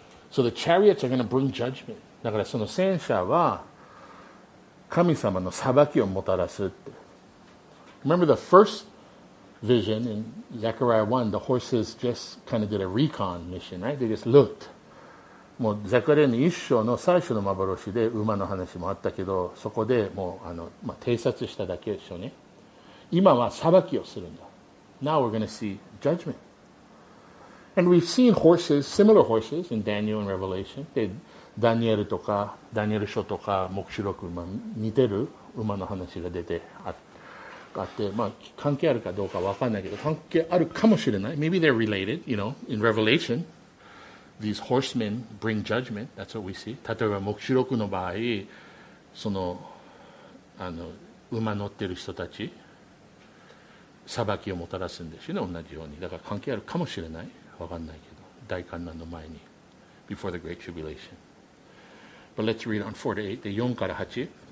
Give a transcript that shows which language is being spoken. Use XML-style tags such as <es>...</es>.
<en>So the chariots are going to bring judgment.</en> <ja>だからその戦車は神様の裁きをもたらすって。</ja> <en>Remember the first vision in Zechariah 1, the horses just kind of did a recon mission, right? They just looked.</en> <ja>もうゼカリアの一章の最初の幻で馬の話もあったけど、そこでもうまあ、偵察しただけでしょうね。今は裁きをするんだ。</ja> <en>Now we're going to see judgment. And we've seen horses, similar horses in Daniel and Revelation.</en> <ja>で、ダニエルとか、ダニエル書とか、黙示録、まあ、似てる馬の話が出てあった。あって、まあ、関係あるかどうか分かんないけど、関係あるかもしれない。</ja> <en>Maybe they're related, you know, in Revelation, these horsemen bring judgment. That's what we see.</en> <ja>例えば、黙示録の場合、その、馬乗ってる人たち、裁きをもたらすんですよね、同じように。だから関係あるかもしれない。分かんないけど、大患難の前に。</ja> <en>Before the Great Tribulation. But let's read on 4 to 8,</en> <ja>で4から8。</ja>